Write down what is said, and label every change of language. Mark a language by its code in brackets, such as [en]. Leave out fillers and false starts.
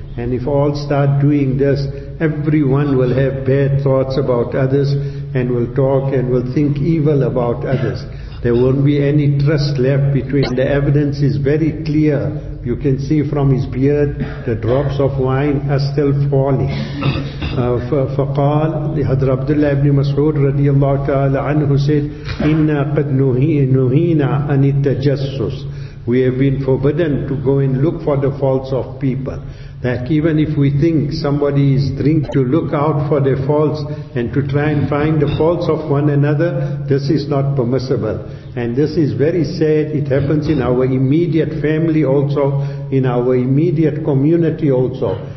[en] And if all start doing this, everyone will have bad thoughts about others, and will talk and will think evil about others. There won't be any trust left between. The evidence is very clear. You can see from his beard, the drops of wine are still falling. [ar] فقال حضر عبداللہ بن مسعود رضی اللہ تعالی عنہ said, إِنَّا قَدْ نُهِينَا عَنِ التَّجَسُّسِ. [en] We have been forbidden to go and look for the faults of people. That even if we think somebody is drinking, to look out for their faults and to try and find the faults of one another, this is not permissible. And this is very sad. It happens in our immediate family also, in our immediate community also.